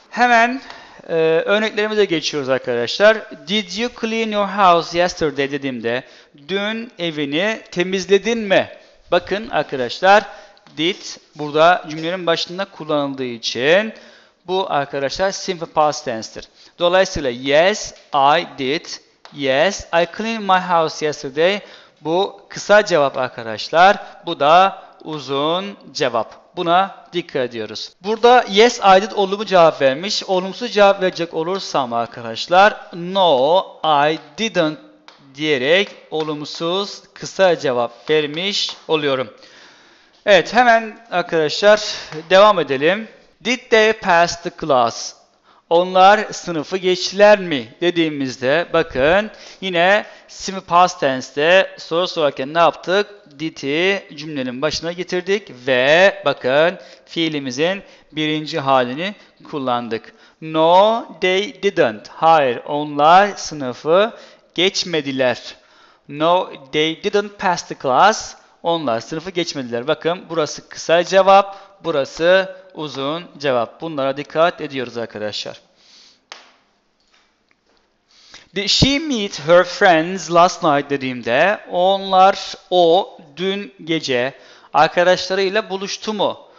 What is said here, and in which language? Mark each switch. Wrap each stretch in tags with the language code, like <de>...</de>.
<tr>Hemen örneklerimize geçiyoruz arkadaşlar.</tr> <en>Did you clean your house yesterday</en> <tr>dediğimde dün evini temizledin mi? Bakın arkadaşlar did burada cümlenin başında kullanıldığı için bu arkadaşlar simple past tense'tir.</tr> <en>Dolayısıyla yes I did. Yes I cleaned my house yesterday.</en> <tr>Bu kısa cevap arkadaşlar. Bu da uzun cevap. Buna dikkat ediyoruz. Burada</tr> <en>yes I did</en> <tr>olumlu cevap vermiş. Olumsuz cevap verecek olursam arkadaşlar</tr> <en>no I didn't</en> <tr>diyerek olumsuz kısa cevap vermiş oluyorum. Evet hemen arkadaşlar devam edelim.</tr> <en>Did they pass the class?</en> <tr>Onlar sınıfı geçtiler mi? Dediğimizde bakın yine simple past tense'te soru sorarken ne yaptık? Did'i cümlenin başına getirdik ve bakın fiilimizin birinci halini kullandık.</tr> <en>No, they didn't.</en> <tr>Hayır, onlar sınıfı geçmediler.</tr> <en>No, they didn't pass the class.</en> <tr>Onlar sınıfı geçmediler. Bakın burası kısa cevap, burası uzun cevap. Bunlara dikkat ediyoruz arkadaşlar.</tr> <en>Did she meet her friends last night</en> <tr>dediğimde onlar o dün gece arkadaşlarıyla buluştu mu?</tr>